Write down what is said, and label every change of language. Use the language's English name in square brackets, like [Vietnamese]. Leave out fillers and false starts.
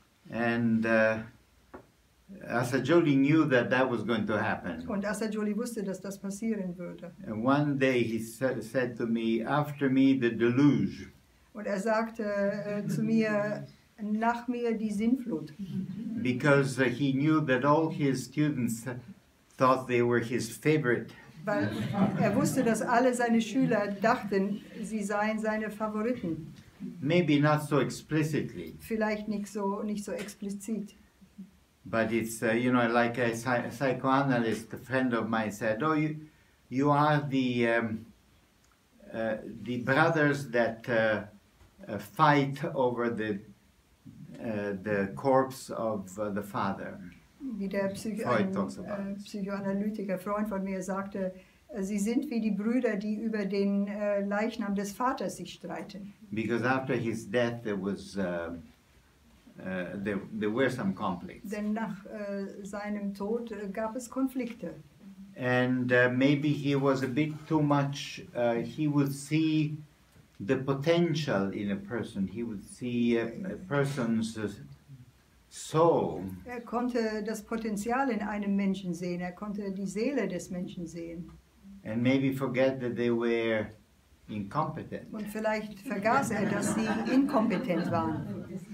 [English] And Assagioli knew that that was going to happen. [German] Und Assagioli wusste, dass das passieren würde. [English] And one day he said to me, after me the deluge. [German] Und er sagte zu mir, nach mir die Sintflut. [English] Because he knew that all his students thought they were his favorite. [German] Weil er wusste, dass alle seine Schüler dachten, sie seien seine Favoriten. [English] Maybe not so explicitly. [German] Vielleicht nicht so explizit. [English] But it's, you know, like a psychoanalyst, a friend of mine said, oh, you are the brothers that fight over the corpse of the father. [German] Wie der Psychoanalytiker Freund von mir sagte, sie sind wie die Brüder, die über den Leichnam des Vaters sich streiten. [English] Because after his death there was there were some conflicts. [German] Denn nach seinem Tod gab es Konflikte. [English] And maybe he was a bit too much. He would see the potential in a person. He would see a person's soul. [German] Er konnte das Potenzial in einem Menschen sehen. Er konnte die Seele des Menschen sehen. [English] And maybe forget that they were incompetent. [German] Und vielleicht vergaß er, dass sie inkompetent waren.